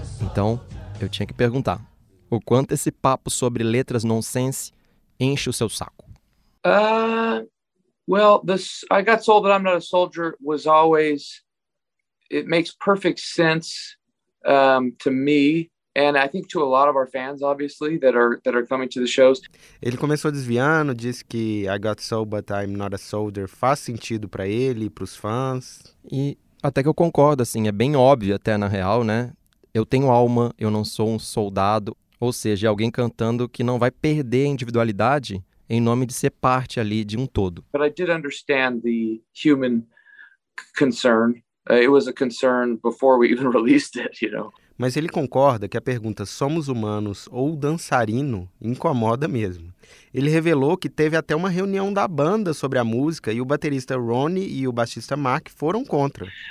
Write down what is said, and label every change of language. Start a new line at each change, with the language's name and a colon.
Portuguese: Então, eu tinha que perguntar, o quanto esse papo sobre letras nonsense enche o seu saco?
English: I Got Sold But I'm Not a Soldier was always, it makes perfect sense to me. And I think to a lot of our fans, obviously, that are coming to the shows.
Portuguese: Ele começou desviando, disse que I Got Sold But I'm Not a Soldier faz sentido para ele e pros fãs. E até que eu concordo, assim, é bem óbvio até na real, né? Eu tenho alma, eu não sou um soldado. Ou seja, alguém cantando que não vai perder a individualidade em nome de ser parte ali de um todo.
English: But I did understand the human concern. It was a concern before we even released it, you know.
Portuguese: Mas ele concorda que a pergunta somos humanos ou dançarino incomoda mesmo. Ele revelou que teve até uma reunião da banda sobre a música e o baterista Ronnie e o baixista Mark foram contra.